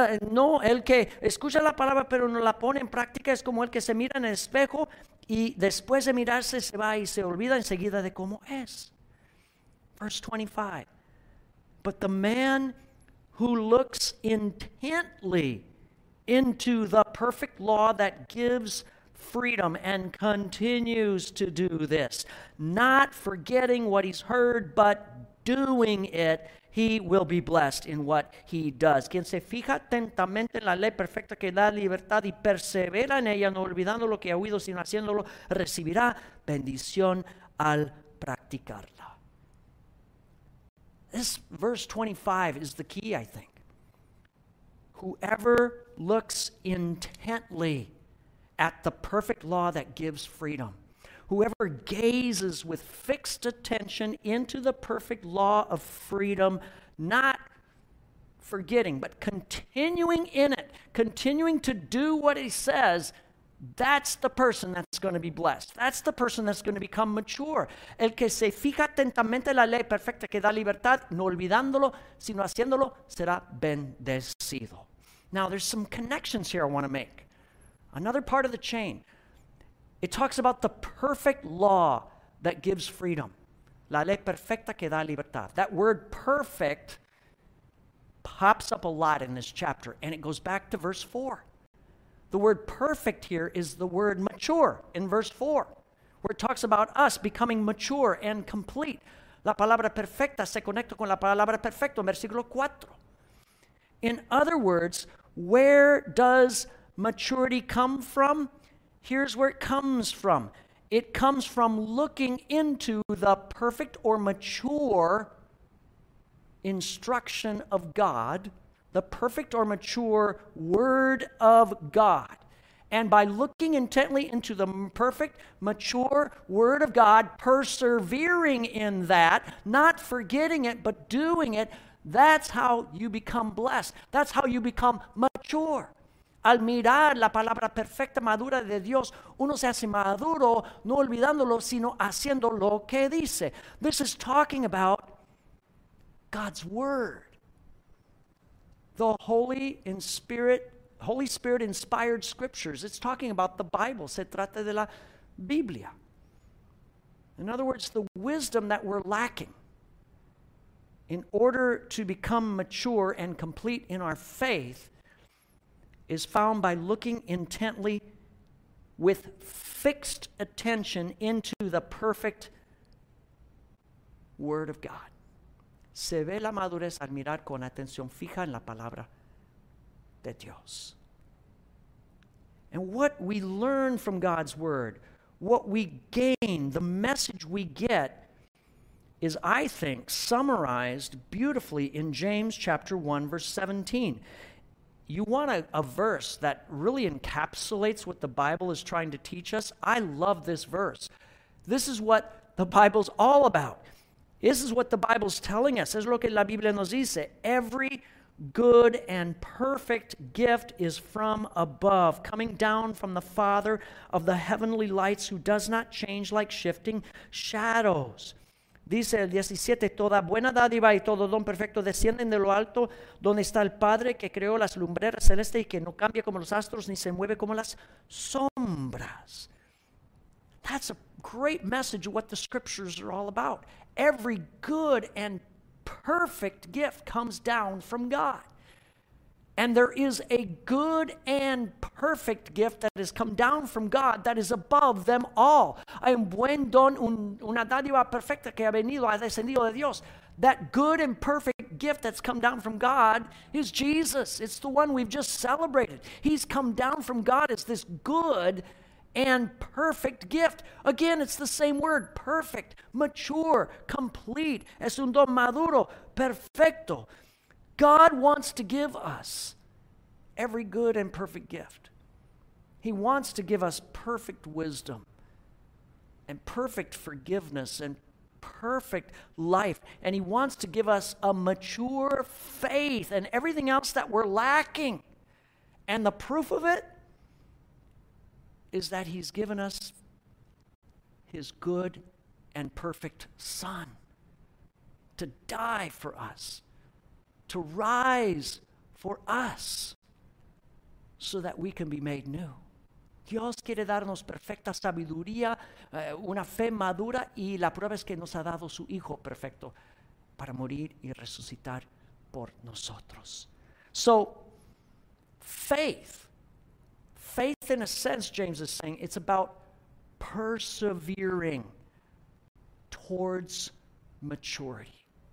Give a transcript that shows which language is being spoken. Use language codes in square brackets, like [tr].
[es] No, el que escucha la palabra pero no la pone en práctica es como el que se mira en el espejo y después de mirarse se va y se olvida enseguida de cómo es. [en] Verse 25, but the man who looks intently into the perfect law that gives freedom and continues to do this, not forgetting what he's heard, but doing it, he will be blessed in what he does. [es] Quien se fija atentamente en la ley perfecta que da libertad y persevera en ella, no olvidando lo que ha oído, sino haciéndolo, recibirá bendición al practicarlo. [en] This verse 25 is the key, I think. Whoever looks intently at the perfect law that gives freedom, whoever gazes with fixed attention into the perfect law of freedom, not forgetting, but continuing in it, continuing to do what he says, that's the person that's going to be blessed. That's the person that's going to become mature. [es] El que se fija atentamente en la ley perfecta que da libertad, no olvidándolo, sino haciéndolo, será bendecido. [en] Now, there's some connections here I want to make. Another part of the chain. It talks about the perfect law that gives freedom. [es] La ley perfecta que da libertad. [en] That word perfect pops up a lot in this chapter, and it goes back to verse 4. The word perfect here is the word mature in verse 4, where it talks about us becoming mature and complete. [es] La palabra perfecta se conecta con la palabra perfecto, versículo 4. [en] In other words, where does maturity come from? Here's where it comes from. It comes from looking into the perfect or mature instruction of God, the perfect or mature word of God. And by looking intently into the perfect, mature word of God, persevering in that, not forgetting it, but doing it, that's how you become blessed. That's how you become mature. [es] Al mirar la palabra perfecta, madura de Dios, uno se hace maduro, no olvidándolo, sino haciendo lo que dice. [en] This is talking about God's word. The Holy Spirit inspired scriptures. It's talking about the Bible. [es] Se trata de la Biblia. [en] In other words, the wisdom that we're lacking in order to become mature and complete in our faith is found by looking intently with fixed attention into the perfect word of God. [es] Se ve la madurez al mirar con atención fija en la palabra de Dios. [en] And what we learn from God's word, what we gain, the message we get, is, I think, summarized beautifully in James chapter 1, verse 17. You want a verse that really encapsulates what the Bible is trying to teach us? I love this verse. This is what the Bible's all about. This is what the Bible's telling us. [es] Es lo que la Biblia nos dice. [en] Every good and perfect gift is from above, coming down from the Father of the heavenly lights, who does not change like shifting shadows. [es] Dice el 17, toda buena dádiva y todo don perfecto descienden de lo alto, donde está el Padre que creó las lumbreras celestes y que no cambia como los astros ni se mueve como las sombras. [en] That's a great message of what the scriptures are all about. Every good and perfect gift comes down from God. And there is a good and perfect gift that has come down from God that is above them all. [es] Hay un buen don, una dádiva perfecta que ha venido, ha descendido de Dios. [en] That good and perfect gift that's come down from God is Jesus. It's the one we've just celebrated. He's come down from God as this good and perfect gift. Again, it's the same word, perfect, mature, complete. [es] Es un don maduro, perfecto. [en] God wants to give us every good and perfect gift. He wants to give us perfect wisdom and perfect forgiveness and perfect life. And he wants to give us a mature faith and everything else that we're lacking. And the proof of it is that he's given us his good and perfect son to die for us, to rise for us, so that we can be made new. [es] Dios quiere darnos perfecta sabiduría, una fe madura, y la prueba es que nos ha dado su Hijo perfecto para morir y resucitar por nosotros. [en] So, faith in a sense, James is saying, it's about persevering towards maturity.